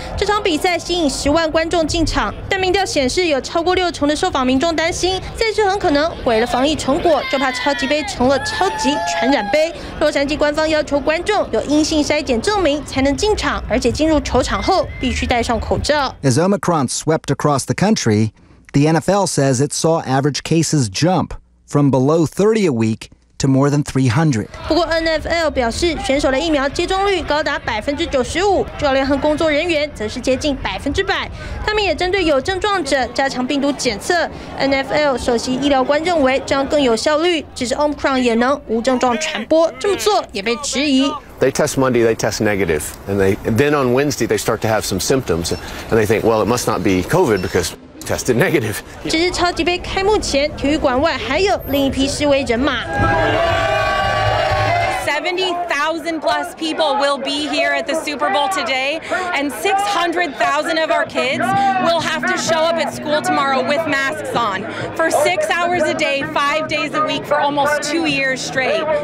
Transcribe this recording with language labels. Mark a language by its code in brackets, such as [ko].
[zh] 这场比赛吸引10万观众进场，但民调显示，有超过60%的受访民众担心赛事很可能毁了防疫成果，就怕超级杯成了超级传染杯。洛杉矶官方要求观众有阴性筛检证明才能进场，而且进入球场后必须戴上口罩。 [en] As Omicron swept across the country. The NFL says it saw average cases jump from below 30 a week to more than 300. [zh] 不过 NFL 表示，选手的疫苗接种率高达95%，教练和工作人员则是接近100%。他们也针对有症状者加强病毒检测。 NFL 首席医疗官认为这样更有效率，只是 Omicron 也能无症状传播，这么做也被质疑。 [en] They test Monday, they test negative, and then on Wednesday they start to have some symptoms, and they think, well, it must not be COVID because. Tested negative. [zh] 只是超级杯开幕前，体育馆外还有另一批示威人马。 [en] 70,000 plus people will be here at the Super Bowl today, and 600,000 of our kids will have to show up at school tomorrow with masks on for 6 hours a day, 5 days a week for almost 2 years straight.